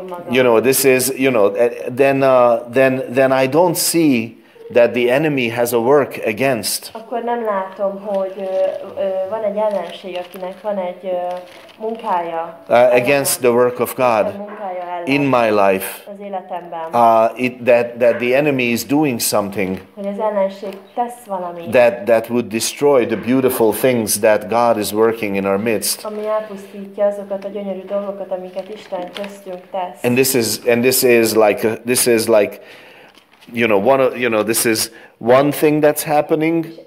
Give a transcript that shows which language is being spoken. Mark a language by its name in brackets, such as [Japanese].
[English] You know, this is, you know, then I don't see that the enemy has a work against. [Hungarian] Akkor nem látom, hogy van egy ellenség, akinek van egy munkája. [English] Against the work of God in my life. [Hungarian] Az életemben. [English] That the enemy is doing something. [Hungarian] Hogy az ellenség tesz valamit. [English] That would destroy the beautiful things that God is working in our midst. [Hungarian] Ami elpusztítja azokat a gyönyörű dolgokat, amiket Isten köztünk tesz. [English] And this is like. You know, this is one thing that's happening.